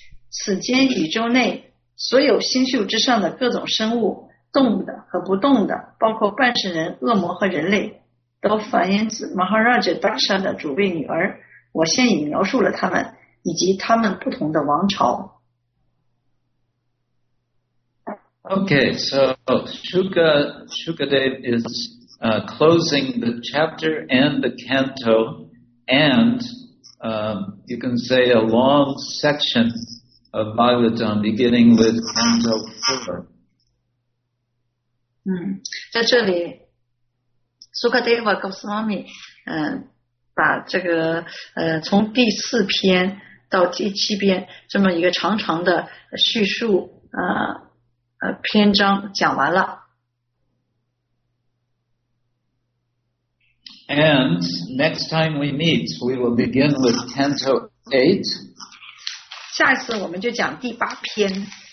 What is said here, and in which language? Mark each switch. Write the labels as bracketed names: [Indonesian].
[Chinese] 此间宇宙内所有星宿之上的各种生物动的和不动的，包括半世人、恶魔和人类，都繁衍自 Maharaj Dasha 的主位女儿。我现已描述了他们以及他们不同的王朝。 [English] Okay, so Shukadev is closing the chapter and the canto, and you can say a long section of Bhagavatam beginning with canto 4. [Chinese] 在这里 Sukadeva Goswami 把这个从第四篇到第七篇这么一个长长的叙述篇章讲完了。 [English] And next time we meet we will begin with Canto 8. [Chinese] 下一次我们就讲第八篇。